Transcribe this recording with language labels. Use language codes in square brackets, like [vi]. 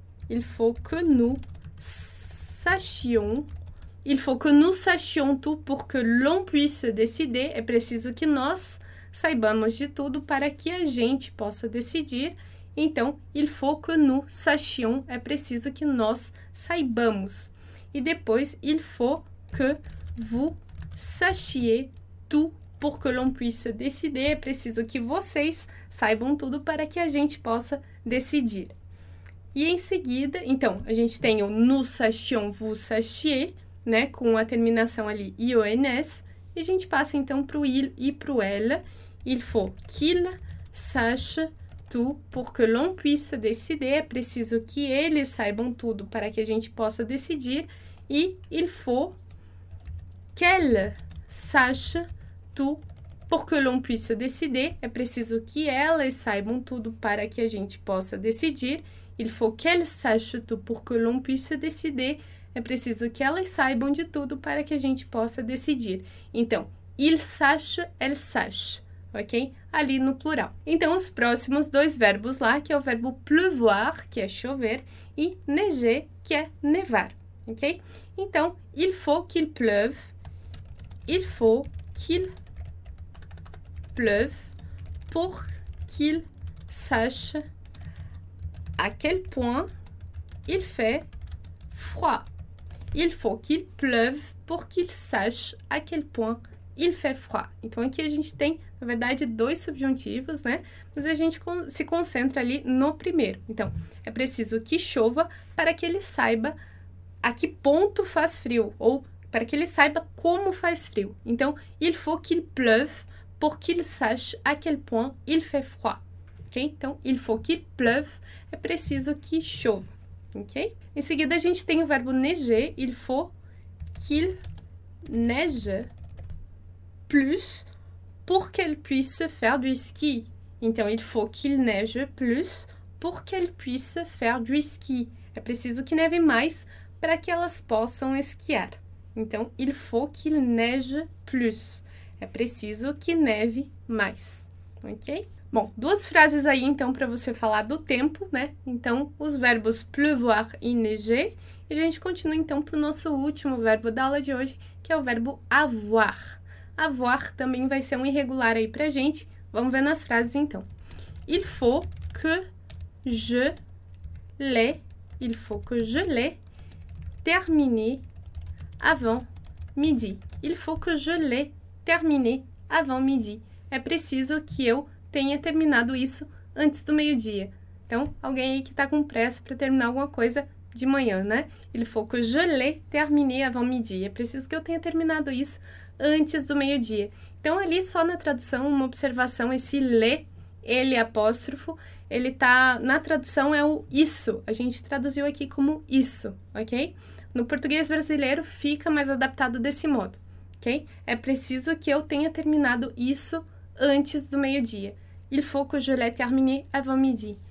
[fr] Il faut que nous sachions. Il faut que nous sachions tout pour que l'on puisse décider. [pt] É preciso que nós saibamos de tudo para que a gente possa decidir. Então, [fr] il faut que nous sachions. [pt] É preciso que nós saibamos. E depois, [fr] il faut que vous sachiez tout pour que l'on puisse décider. [pt] É preciso que vocês saibam tudo para que a gente possa decidir. E em seguida, então, a gente tem o [fr] nous sachions, vous sachiez, [pt] né, com a terminação ali ions, e a gente passa então para o il e para o ela. [fr] Il faut qu'il sache tout pour que l'on puisse décider. [pt] É preciso que eles saibam tudo para que a gente possa decidir. [fr] E il faut qu'elle sache tout pour que l'on puisse décider. [pt] É preciso que elas saibam tudo para que a gente possa decidir. [fr] Il faut qu'elle sache tout pour que l'on puisse décider. [pt] É preciso que elas saibam de tudo para que a gente possa decidir. Então, [fr] il sache, elle sache, [pt] ok? Ali no plural. Então, os próximos dois verbos lá, que é o verbo pleuvoir, que é chover, e neiger, que é nevar, ok? Então, [fr] il faut qu'il pleuve, il faut qu'il pleuve pour qu'il sache à quel point il fait froid. Il faut qu'il pleuve pour qu'il sache à quel point il fait froid. [pt] Então, aqui a gente tem, na verdade, dois subjuntivos, né? Mas a gente se concentra ali no primeiro. Então, é preciso que chova para que ele saiba a que ponto faz frio ou para que ele saiba como faz frio. [fr] Então, il faut qu'il pleuve pour qu'il sache à quel point il fait froid. [pt] Ok? Então, [fr] il faut qu'il pleuve, [pt] é preciso que chova. Ok? Em seguida, a gente tem o verbo neiger. [fr] Il faut qu'il neige plus pour qu'elle puisse faire du ski. [pt] Então, [fr] il faut qu'il neige plus pour qu'elle puisse faire du ski. [pt] É preciso que neve mais para que elas possam esquiar. Então, [fr] il faut qu'il neige plus. [pt] É preciso que neve mais. Ok? Bom, duas frases aí, então, para você falar do tempo, né? Então, os verbos pleuvoir e neiger. E a gente continua, então, para o nosso último verbo da aula de hoje, que é o verbo avoir. Avoir também vai ser um irregular aí para gente. Vamos ver nas frases, então. [fr] Il faut que je l'ai, il faut que je l'ai terminé avant midi. Il faut que je l'ai terminé avant midi. [pt] É preciso que eu tenha terminado isso antes do meio-dia. Então, alguém aí que está com pressa para terminar alguma coisa de manhã, né? [fr] Il faut que je l'ai terminé avant midi. [pt] É preciso que eu tenha terminado isso antes do meio-dia. Então, ali só na tradução, uma observação, esse le, ele apóstrofo, ele tá na tradução é o isso. A gente traduziu aqui como isso, ok? No português brasileiro fica mais adaptado desse modo, ok? É preciso que eu tenha terminado isso antes do meio-dia. [fr] Il faut que je l'ai terminé avant midi.